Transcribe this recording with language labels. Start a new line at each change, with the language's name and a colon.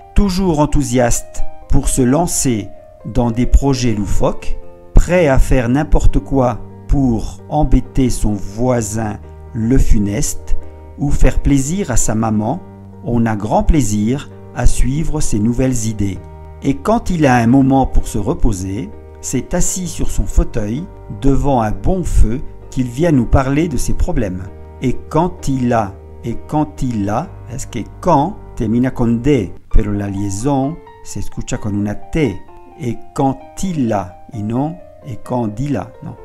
French: Toujours enthousiaste pour se lancer dans des projets loufoques, prêt à faire n'importe quoi pour embêter son voisin le funeste ou faire plaisir à sa maman, on a grand plaisir à suivre ses nouvelles idées. Et quand il a un moment pour se reposer, c'est assis sur son fauteuil devant un bon feu qu'il vient nous parler de ses problèmes. Et quand il a,
Spanish: est-ce que quand termina con de, pero la liaison se escucha con una t.
French: Et quand il a, et non, et quand il a, non.